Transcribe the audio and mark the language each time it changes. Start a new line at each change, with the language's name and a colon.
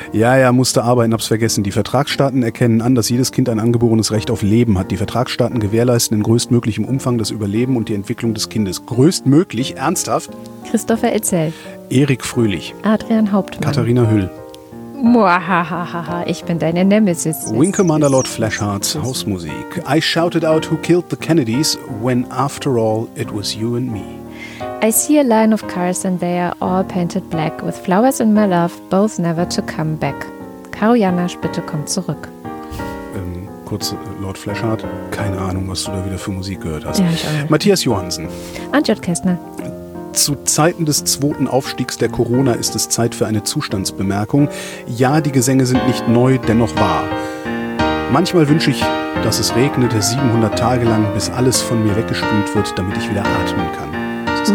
German: Ja, musste arbeiten, hab's vergessen. Die Vertragsstaaten erkennen an, dass jedes Kind ein angeborenes Recht auf Leben hat. Die Vertragsstaaten gewährleisten in größtmöglichem Umfang das Überleben und die Entwicklung des Kindes. Größtmöglich, ernsthaft? Christopher Etzel. Erik Fröhlich. Adrian Hauptmann. Katharina Hüll. Mwahahaha, ich bin deine Nemesis. Wing Commander Lord Flesharts, Hausmusik.
English: I shouted out who killed the Kennedys when after all it was you and me. I see a line of cars and they are all painted black with flowers in my love, both never to come back.
German: Caro Janasch, bitte komm zurück. Kurz Lord Flesharts, keine Ahnung, was du da wieder für Musik gehört hast. Ja, ich auch. Matthias Johansen. Antjot Kästner. Zu Zeiten des zweiten Aufstiegs der Corona ist es Zeit für eine Zustandsbemerkung. Ja, die Gesänge sind nicht neu, dennoch wahr. Manchmal wünsche ich, dass es regnete 700 Tage lang, bis alles von mir weggespült wird, damit ich wieder atmen kann.